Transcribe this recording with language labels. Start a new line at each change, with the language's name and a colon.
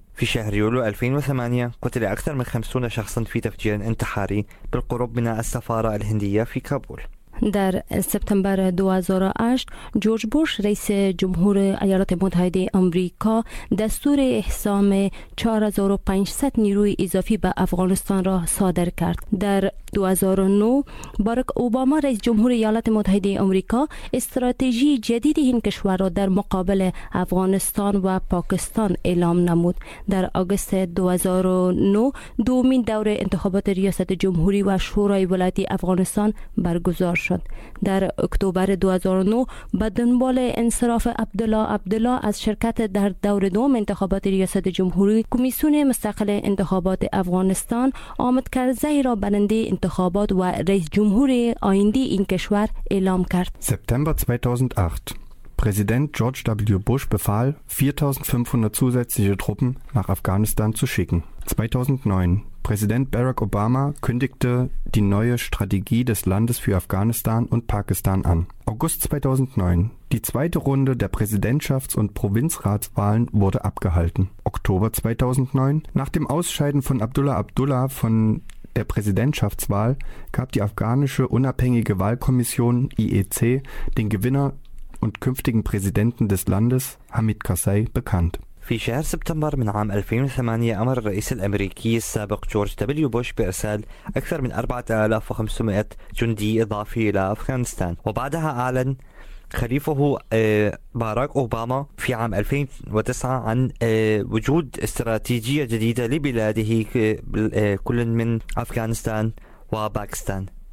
Arabic: في شهر يوليو 2008 قتل أكثر من 50 شخصا في تفجير انتحاري بالقرب من السفارة الهندية في كابول.
Persian: در سپتامبر 2008 جورج بوش رئیس جمهور ایالات متحده آمریکا دستور احسام 4500 نیروی اضافی به افغانستان را صادر کرد. در 2009 باراک اوباما رئیس جمهور ایالات متحده آمریکا استراتژی جدید این کشور را در مقابل افغانستان و پاکستان اعلام نمود. در آگوست 2009 دومین دور انتخابات ریاست جمهوری و شورای ولایتی افغانستان برگزار شد. در اکتبر 2009 به دنبال انصراف عبدالله از شرکت در دور دوم انتخابات ریاست جمهوری، کمیسیون مستقل انتخابات افغانستان آمد کرزی را برنده انتخابات و رئیس جمهور آیندی این کشور اعلام کرد. سپتامبر
German: 2008 Präsident George W. Bush befahl, 4.500 zusätzliche Truppen nach Afghanistan zu schicken. 2009. Präsident Barack Obama kündigte die neue Strategie des Landes für Afghanistan und Pakistan an. August 2009. Die zweite Runde der Präsidentschafts- und Provinzratswahlen wurde abgehalten. Oktober 2009. Nach dem Ausscheiden von Abdullah von der Präsidentschaftswahl gab die afghanische unabhängige Wahlkommission IEC den Gewinner und künftigen Präsidenten des Landes Hamid Karzai bekannt.
Arabic: في شهر سبتمبر من عام 2008 أمر الرئيس الأمريكي السابق جورج دبليو بوش بإرسال أكثر من 4500 جندي إضافي إلى أفغانستان، وبعدها أعلن خليفه باراك أوباما في عام 2009 عن وجود استراتيجية جديدة لبلاده كل من أفغانستان وباكستان.